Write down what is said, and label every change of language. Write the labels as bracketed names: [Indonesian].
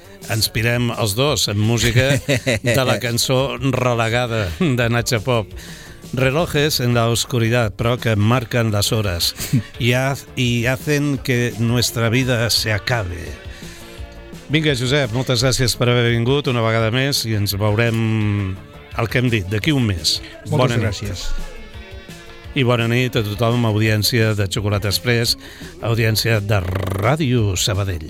[Catalan] Ens pirem els dos amb música de la cançó Relegada, de Natxa Pop. [Spanish] Relojes en la oscuridad, pero que marcan las horas y hacen que nuestra vida se acabe. [Catalan] Vinga, Josep, moltes gràcies per haver vingut una vegada més i ens veurem el que hem dit d'aquí un mes. Moltes bona gràcies. Nit. I bona nit a tothom, audiència de Xocolata Express, audiència de Ràdio Sabadell.